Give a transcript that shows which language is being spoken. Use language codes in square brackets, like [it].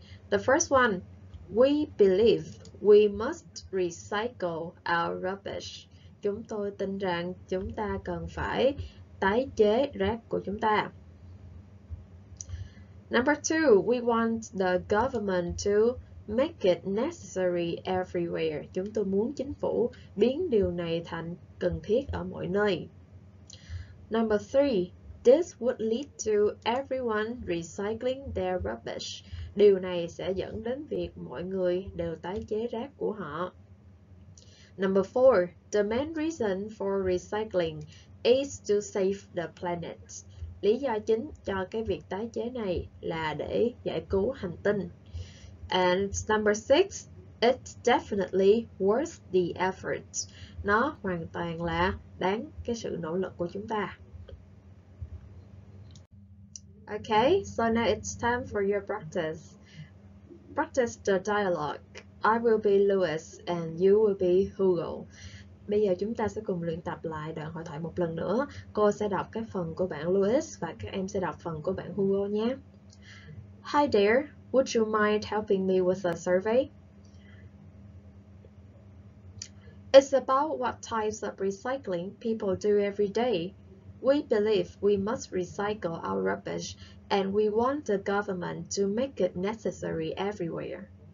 [en] The first one, we believe we must recycle our rubbish. [vi] Chúng tôi tin rằng chúng ta cần phải tái chế rác của chúng ta. [en] Number two, we want the government to make it necessary everywhere. [vi] Chúng tôi muốn chính phủ biến điều này thành cần thiết ở mọi nơi. [en] Number three, this would lead to everyone recycling their rubbish. [vi] Điều này sẽ dẫn đến việc mọi người đều tái chế rác của họ. [en] Number four, the main reason for recycling is to save the planet. [vi] Lý do chính cho cái việc tái chế này là để giải cứu hành tinh. [en] And number six, it's definitely worth the effort. [vi] Nó hoàn toàn là đáng cái sự nỗ lực của chúng ta. [en] Okay, so now it's time for your practice. Practice the dialogue. I will be Louis and you will be Hugo. [vi] Bây giờ chúng ta sẽ cùng luyện tập lại đoạn hội thoại một lần nữa. Cô sẽ đọc cái phần của bạn Louis và các em sẽ đọc phần của bạn Hugo nhé. [en] Hi there. Would you mind helping me with a survey? It's about what types of recycling people do every day. We believe we must recycle our rubbish and we want the government to make it necessary everywhere.